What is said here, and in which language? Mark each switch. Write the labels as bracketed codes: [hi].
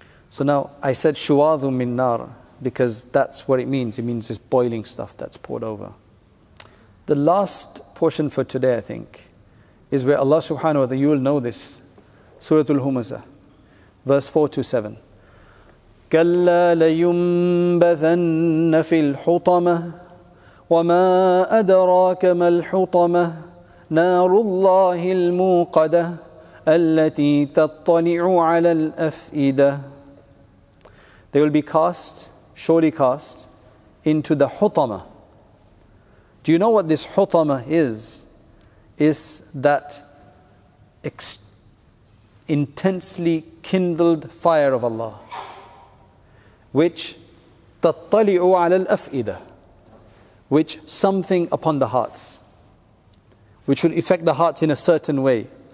[en] So now I said [ar] shuwadhu min nar, [en] because that's what it means. It means this boiling stuff that's poured over. The last portion for today, I think, is where Allah subhanahu wa ta'ala, you will know this, Suratul Humazah, verse 4-7. [ar] كلا لينبذن في الحطمة وما أدراك ما الحطمة نار الله الموقدة التي تطلع على الأفئدة. [en] They will be cast, surely cast, into the hutama. Do you know what this hutama is? It's that intensely kindled fire of Allah, which [ar] tattali'u ala al-af'ida, [en] which something upon the hearts, which will affect the hearts in a certain way.